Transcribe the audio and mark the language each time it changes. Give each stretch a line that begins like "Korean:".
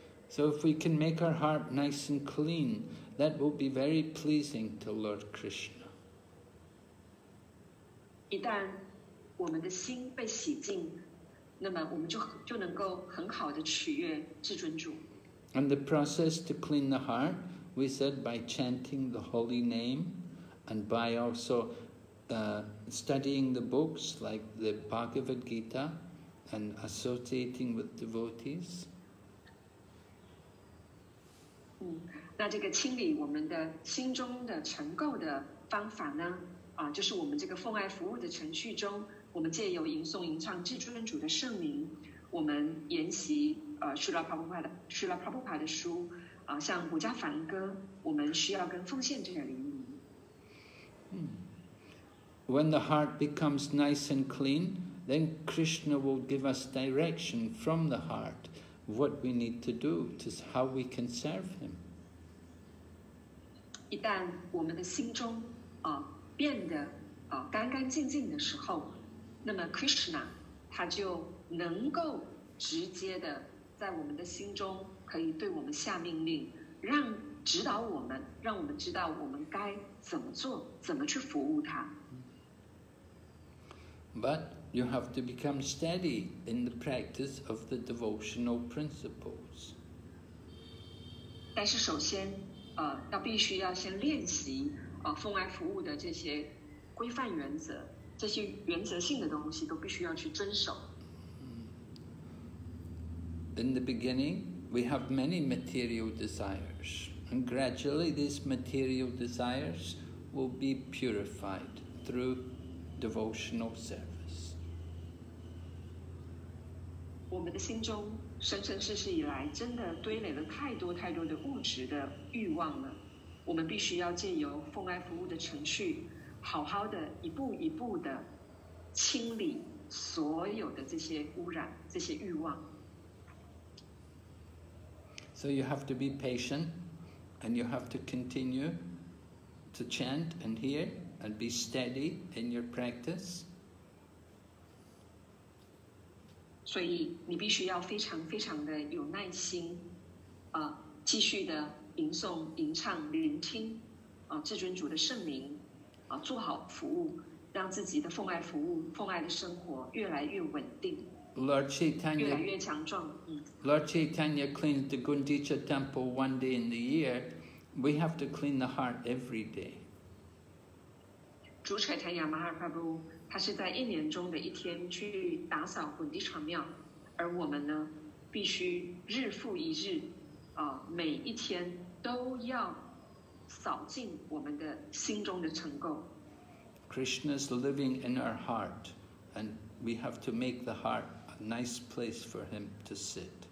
English: So if we can make our heart nice and clean, that will be very pleasing to Lord Krishna.
Chinese: 一旦我们的心被洗净，那么我们 就能够很好的取悦至尊主。
English: And the process to clean the heart, we said by chanting the holy name, and by also studying the books like the Bhagavad Gita, and associating with devotees.
Chinese: 那这个清理我们的心中的尘垢的方法呢，就是我们这个奉爱服务的程序中，我们借由吟诵吟唱至尊主的圣名，我们研习Srila Prabhupada 的书，像《古家梵歌》，我们需要跟奉献者联谊。
English: When the heart becomes nice and clean, then Krishna will give us direction from the heart. What we need to do, to how we can serve him.
Chinese: 一旦我们的心中变得干干净净的时候，那么 Krishna 他就能够直接的在我们的心中可以对我们下命令，让指导我们，让我们知道我们该怎么做，怎么去服务他。
English: But. You have to become steady in the practice of the devotional principles.
Chinese: 但是首先，要必须要先练习，奉爱服务的这些规范原则，这些原则性的东西都必须要去遵守。
English: In the beginning, we have many material desires, and gradually these material desires will be purified through devotional service.
Chinese: 我们的心中生生世世以来真的堆垒了太多太多的物质的欲望了，我们必须要借由奉爱服务的程序好好的一步一步的清理所有的这些污染，这些欲望。
English: So you have to be patient and you have to continue to chant and hear and be steady in your practice.
Chinese: 所以你必须要非常非常的有耐心，继续的吟诵吟唱聆听至尊主的圣名，做好服务，让自己的奉爱服务奉爱的生活越来越稳定，
English: Lord Chaitanya,
Chinese: 越来越强壮。
English: Lord Chaitanya cleans the Gundicha temple one day in the year, we have to clean the heart every day.
Chinese: 主柴坦亚马哈帕布他是在一年中的一天去打扫滚地床庙，而我们呢必须日复一日每一天都要扫净我们的心中的尘垢。
English: Krishna's living in our heart and we have to make the heart a nice place for him to sit.